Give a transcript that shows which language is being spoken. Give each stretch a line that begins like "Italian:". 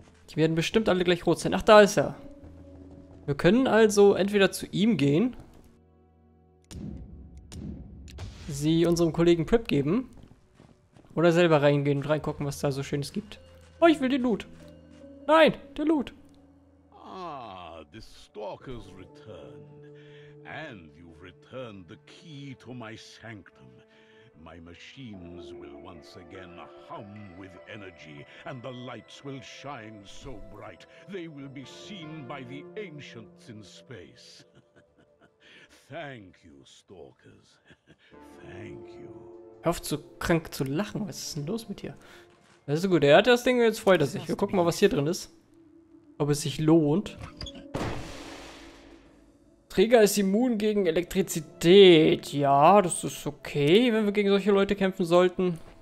German: Die werden bestimmt alle gleich rot sein. Ach, da ist er. Wir können also entweder zu ihm gehen, sie unserem Kollegen Prep geben oder selber reingehen und reingucken, was da so Schönes gibt. Oh, ich will den Loot. Nein, der Loot.
English: Ah, the Stalker's returned. And you've returned the key to my sanctum. My machines will once again hum with energy and the lights will shine so bright. They will be seen by the ancients in space. Thank you, Stalkers. Thank you.
German: Hör auf, zu krank zu lachen. Was ist denn los mit dir? Das ist gut. Er hat das Ding, jetzt freut er sich. Wir gucken mal, was hier drin ist. Ob es sich lohnt. Träger ist immun gegen Elektrizität. Ja, das ist okay, wenn wir gegen solche Leute kämpfen sollten.